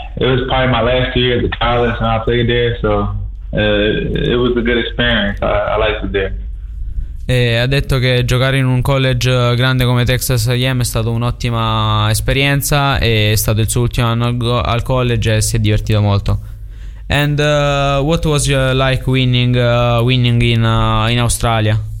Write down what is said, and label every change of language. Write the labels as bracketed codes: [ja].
[en] It was probably my last year at the college and I played there, so it was a good experience. I liked it there. [it] E ha detto che giocare in un college grande come Texas A&M è stata un'ottima esperienza, e è stato il suo ultimo anno al college e si è divertito molto. [en] And what was your like winning in Australia?